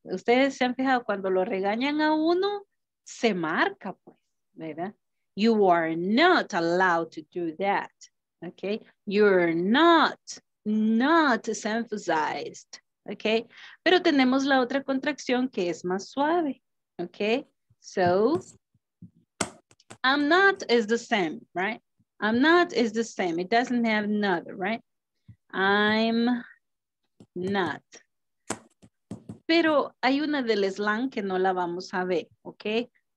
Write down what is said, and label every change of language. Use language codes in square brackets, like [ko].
[es] Ustedes se han fijado, cuando lo regañan a uno, se marca, pues, ¿verdad? [en] You are not allowed to do that, okay? You're not, not is emphasized. [es] Okay, pero tenemos la otra contracción que es más suave. [en] Okay, so I'm not is the same, right? I'm not is the same. It doesn't have not, right? I'm not. [es] Pero hay una del slang que no la vamos a ver, okay?